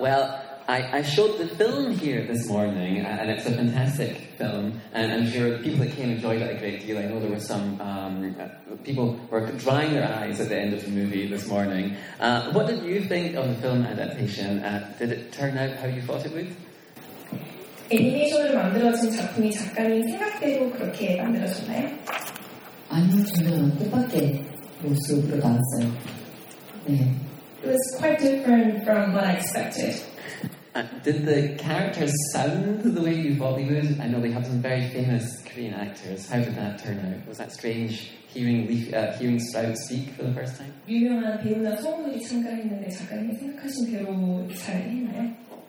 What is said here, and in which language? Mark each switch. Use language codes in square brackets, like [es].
[en] Well, I showed the film here this morning, and it's a fantastic film, and I'm sure the people that came enjoyed it a great deal. I know there were some people were drying their eyes at the end of the movie this morning. What did you think of the film adaptation? Did it turn out how you thought it would? [ko] 애니메이션으로 만들어진 작품이 작가님 생각대로 그렇게 만들어졌나요? 아니요, 저는 뜻밖의 모습으로 나왔어요. 네. [en] It was quite different from what I expected. Did the characters sound the way you thought they would? I know they have some very famous Korean actors. How did that turn out? Was that strange hearing Sprout speak for the first time? [ko] 유명한 배우나 성우들이 참가했는데 작가님이 생각하신 대로 잘 했나요?